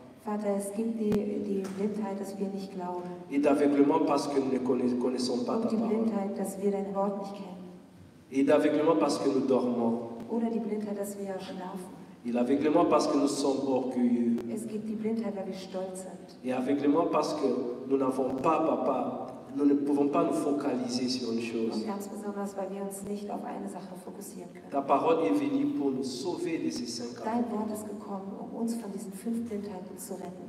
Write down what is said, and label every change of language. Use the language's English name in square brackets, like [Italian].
[German] Vater, es gibt die Blindheit, dass wir nicht glauben. [French] Et d'aveuglement parce que nous ne connaissons pas ta parole. [German] Und die Blindheit, dass wir dein Wort nicht kennen. [French] Et d'aveuglement parce que nous dormons. [German] Oder die Blindheit, dass wir schlafen. [French] Et l'aveuglement parce que nous sommes orgueilleux. [German] Es gibt die Blindheit, weil wir stolz sind. [French] Et aveuglement parce que nous n'avons pas, Papa, nous ne pouvons pas nous focaliser sur une chose. [German] Und ganz besonders, weil wir uns nicht auf eine Sache fokussieren können. [French] Ta parole est venue pour nous sauver de ces cinq [German] Dein Wort ist gekommen, um uns von diesen fünf Blindheiten zu retten.